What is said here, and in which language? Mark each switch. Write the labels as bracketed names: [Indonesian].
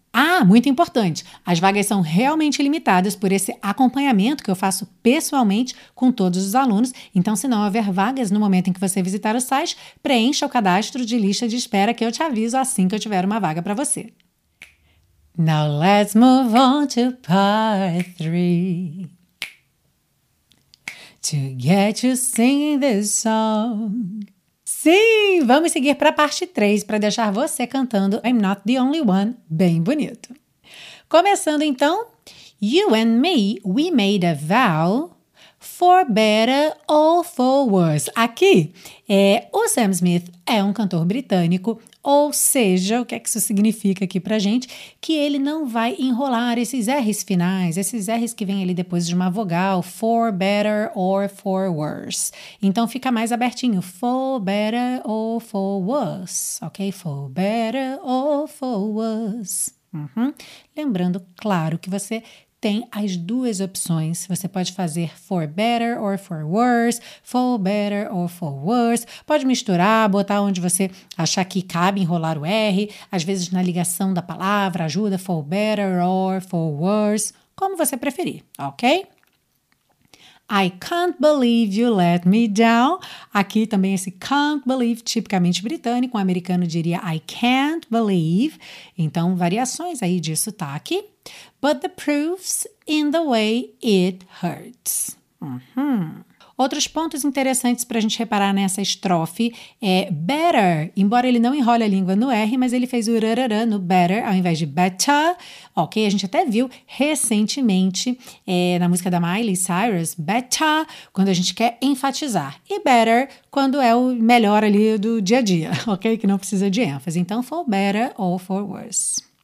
[Portuguese] Ah, muito importante, as vagas são realmente limitadas por esse acompanhamento que eu faço pessoalmente com todos os alunos, então se não houver vagas no momento em que você visitar o site, preencha o cadastro de lista de espera que eu te aviso assim que eu tiver uma vaga para você. [English] Now let's move on to part 3. To get you singing this song. [Portuguese] Sim, vamos seguir para a parte 3 para deixar você cantando I'm Not the Only One bem bonito. Começando então, [English] you and me, we made a vow for better or for worse. [Portuguese] Aqui, o Sam Smith é um cantor britânico, Ou seja, o que é que isso significa aqui pra gente? Que ele não vai enrolar esses R's finais, esses R's que vêm ali depois de uma vogal, [English] for better or for worse. [Portuguese] Então fica mais abertinho, [English] for better or for worse, [Portuguese] ok? [English] For better or for worse. Uhum. [Portuguese] Lembrando, claro, que você tem as duas opções. Você pode fazer [English] for better or for worse, [Portuguese] for better or for worse. Pode misturar, botar onde você achar que cabe enrolar o R. Às vezes na ligação da palavra ajuda, [English] for better or for worse. [Portuguese] Como você preferir, ok? [English] I can't believe you let me down. [Portuguese] Aqui também esse can't believe, tipicamente britânico. Um americano diria [English] I can't believe. [Portuguese] Então, variações aí de sotaque. [English] But the proof's in the way it hurts. Uhum. [Portuguese] Outros pontos interessantes para a gente reparar nessa estrofe é better. Embora ele não enrole a língua no R, mas ele fez o rararã no better ao invés de better. Ok, a gente até viu recentemente na música da Miley Cyrus, better, quando a gente quer enfatizar. E better, quando é o melhor ali do dia a dia, ok? Que não precisa de ênfase. [English] Então, for better or for worse.